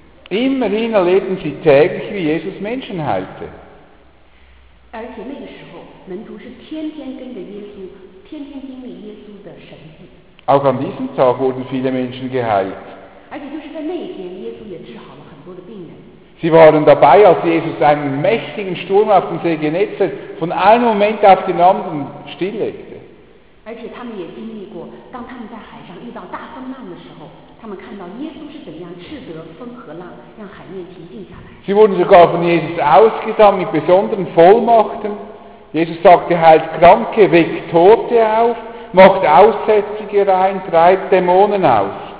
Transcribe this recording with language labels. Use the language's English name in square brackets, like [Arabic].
[German] Immerhin erlebten sie täglich, wie Jesus Menschen heilte. [Chinese] 而且那个时候，门徒是天天跟着耶稣，天天经历耶稣的神迹。 [German] Auch an diesem Tag wurden viele Menschen geheilt. [Chinese] 而且就是在那一天，耶稣也治好了很多的病人。 [German] Sie waren dabei, als Jesus einen mächtigen Sturm auf dem See Genezareth von einem Moment auf den anderen stilllegte. [Chinese] 而且他们也经历过，当他们在海上遇到大风浪的时候，他们看到耶稣是怎样斥责风和浪，让海面平静下来。 [German] Sie wurden sogar von Jesus ausgesandt mit besonderen Vollmachten. Jesus sagte, heilt Kranke, weckt Tote auf, macht Aussätzige rein, treibt Dämonen aus.